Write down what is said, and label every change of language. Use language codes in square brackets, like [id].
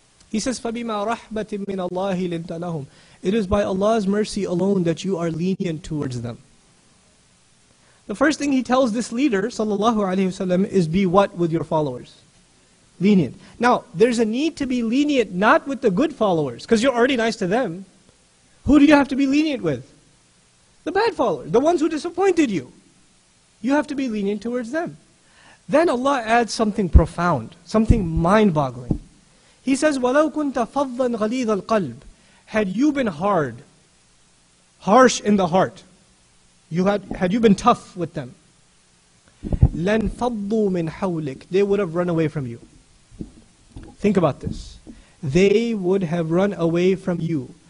[en] He says, [ar] فَبِمَا رَحْمَةٍ مِّنَ اللَّهِ لِنْتَ لَهُمْ. [en] It is by Allah's mercy alone that you are lenient towards them. The first thing he tells this leader, sallallahu alayhi wa sallam, is be what with your followers? Lenient. Now, there's a need to be lenient not with the good followers, because you're already nice to them. Who do you have to be lenient with? The bad followers, the ones who disappointed you. You have to be lenient towards them. Then Allah adds something profound, something mind-boggling. He says, [ar] وَلَوْ كُنْتَ فَضًّا غَلِيظَ الْقَلْبِ. [en] Had you been hard, harsh in the heart, had you been tough with them, [ar] لَنْ فَضُّوا مِنْ حَوْلِكَ. [en] They would have run away from you. Think about this. They would have run away from you.